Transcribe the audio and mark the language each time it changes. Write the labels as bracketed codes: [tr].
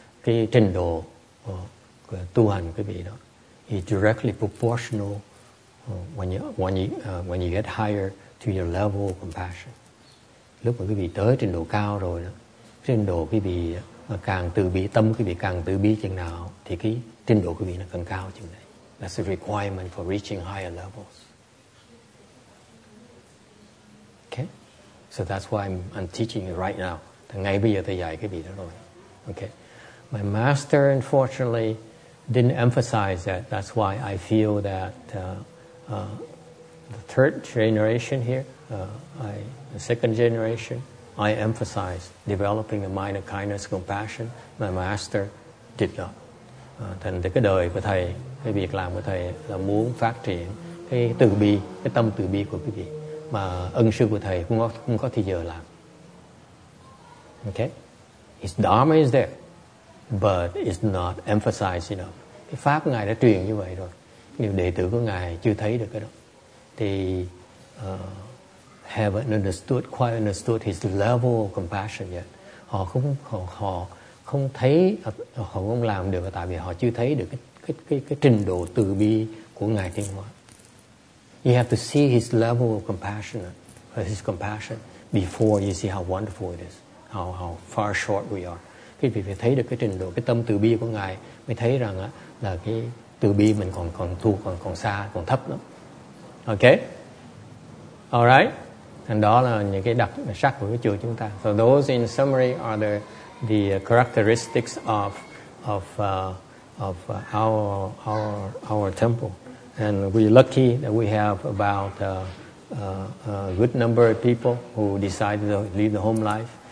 [vi] cái trình độ của tu hành quý vị đó, [en] is directly proportional when you get higher to your level of compassion. [vi] Lúc mà quý vị tới trình độ cao rồi đó, trình độ quý vị càng từ bi, tâm quý vị càng từ bi chừng nào thì cái trình độ quý vị nó càng cao chừng đấy. [en] That's a requirement for reaching higher levels. Okay, so that's why I'm teaching you right now. [vi] Ngay bây giờ tôi dạy quý vị đó rồi. [en] Okay, my master unfortunately didn't emphasize that. That's why I feel that the third generation here, the second generation, I emphasize developing the mind of kindness, compassion. My master did not. [vi] Thành từ cái đời của thầy, cái việc làm của thầy là muốn phát triển cái từ bi, cái tâm từ bi của quý vị. Mà ân sư của thầy cũng có thời giờ làm. [en] Okay, his dharma is there, but it's not emphasized enough. [vi] Cái pháp của ngài đã truyền như vậy rồi, nhiều đệ tử của ngài chưa thấy được cái đó. [en] They haven't understood, quite understood his level of compassion yet. [vi] Họ không làm được, tại vì họ chưa thấy được cái trình độ từ bi của ngài tiến hóa. [en] You have to see his level of compassion, or his compassion, before you see how wonderful it is, how far short we are. [vi] Khi vị phải thấy được cái trình độ, cái tâm từ bi của ngài, mới thấy rằng á là cái từ bi mình còn xa, còn thấp lắm. [en] Okay, all right. [vi] And đó là những cái đặc sắc của cái chùa chúng ta. [en] So those in summary are the characteristics of our temple. And we're lucky that we have about a good number of people who decided to leave the home life.